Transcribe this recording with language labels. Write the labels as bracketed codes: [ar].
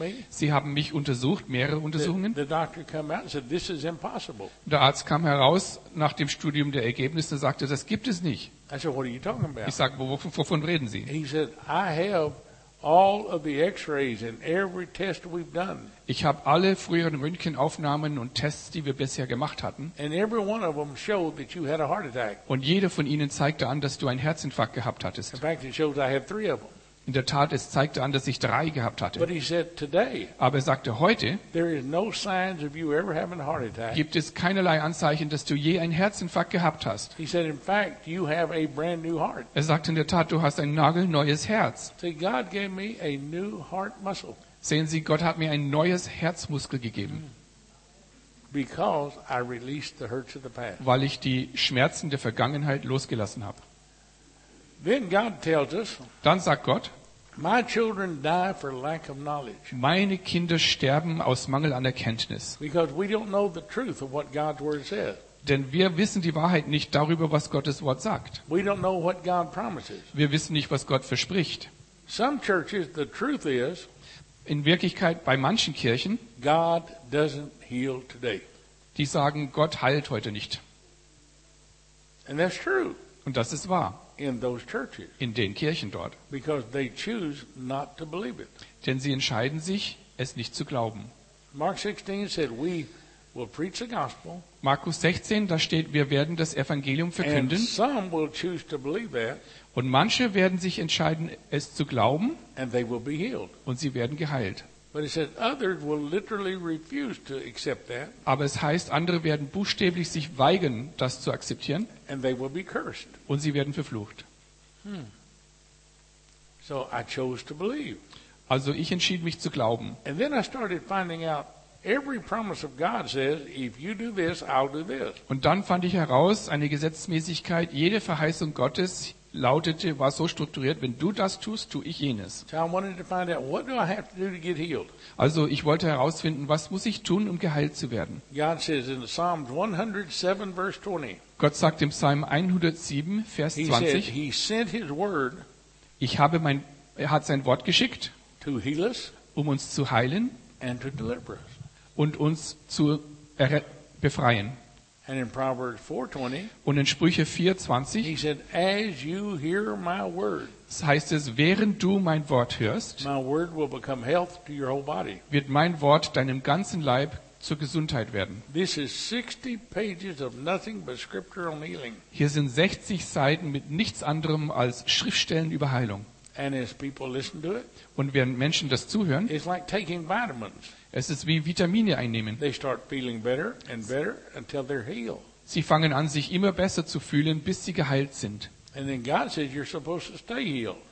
[de] Sie haben mich untersucht, mehrere Untersuchungen. Der Arzt kam heraus nach dem Studium der Ergebnisse und sagte, das gibt es nicht. [en] I said, what are you talking about? [de] Ich sag, wovon reden Sie? [en] He said, I have all of the X-rays and every test we've done. [de] Ich habe alle früheren Röntgenaufnahmen und Tests, die wir bisher gemacht hatten. [en] And every one of them showed that you had a heart attack. [de] Und jeder von ihnen zeigte an, dass du einen Herzinfarkt gehabt hattest. [en] In fact, it shows I have three of them. [de] In der Tat, es zeigte an, dass ich drei gehabt hatte. [en] But he said, today, [de] aber er sagte, heute [en] there is no signs of you ever having a heart attack. [de] Gibt es keinerlei Anzeichen, dass du je einen Herzinfarkt gehabt hast. [en] He said, in fact, you have a brand new heart. [de] Er sagte, in der Tat, du hast ein nagelneues Herz. [en] See, God gave me a new heart muscle. [de] Sehen Sie, Gott hat mir ein neues Herzmuskel gegeben. [en] Because I released the hurts of the past. [de] Weil ich die Schmerzen der Vergangenheit losgelassen habe. [en] Then God tells us, [de] dann sagt Gott, [en] my children die for lack of knowledge. [de] Meine Kinder sterben aus Mangel an Erkenntnis. [en] Because we don't know the truth of what God's word says. [de] Denn wir wissen die Wahrheit nicht darüber, was Gottes Wort sagt. [en] We don't know what God promises. [de] Wir wissen nicht, was Gott verspricht. [en] Some churches, the truth is, [de] in Wirklichkeit bei manchen Kirchen, [en] God doesn't heal today. [de] Die sagen, Gott heilt heute nicht. [en] And that's true. [de] Und das ist wahr. [en] In those churches. [de] In den Kirchen dort. [en] Because they choose not to believe it. [de] Denn sie entscheiden sich, es nicht zu glauben. [en] Mark 16 said, we will preach the gospel. [de] Markus 16, da steht, wir werden das Evangelium verkünden. [en] And some will choose to believe that. [de] Und manche werden sich entscheiden, es zu glauben. [en] And they will be healed. [de] Und sie werden geheilt. [en] But it said, others will literally refuse to accept that. [de] Aber es heißt, andere werden buchstäblich sich weigern, das zu akzeptieren. [en] And they will be cursed. [de] Und sie werden verflucht. Hmm. [en] So I chose to believe. [de] Also ich entschied mich zu glauben. [en] And then I started finding out, every promise of God says, if you do this, I'll do this. [de] Und dann fand ich heraus, eine Gesetzmäßigkeit, jede Verheißung Gottes lautete, war so strukturiert, wenn du das tust, tue ich jenes. Also ich wollte herausfinden, was muss ich tun, um geheilt zu werden? [en] God says in Psalms 107, verse 20, [de] Gott sagt im Psalm 107, Vers 20, [en] he sent his word, [de] er hat sein Wort geschickt, [en] to heal us, [de] um uns zu heilen [en] and to deliver us. [de] Und uns zu befreien. [en] And in Proverbs 4:20, [de] und in Sprüche 4:20, [en] he said, as you hear my word, [de] heißt es, während du mein Wort hörst, [en] my word will become health to your whole body. [de] Wird mein Wort deinem ganzen Leib zur Gesundheit werden. [en] This is 60 pages of nothing but scriptural healing. [de] Hier sind 60 Seiten mit nichts anderem als Schriftstellen über Heilung. [en] And as people listen to it, [de] und wenn Menschen das zuhören, [en] it's like taking vitamins. [de] Es ist wie Vitamine einnehmen. [en] They start feeling better and better until they're healed. [de] Sie fangen an, sich immer besser zu fühlen, bis sie geheilt sind. [en] And then God says, you're supposed to stay healed.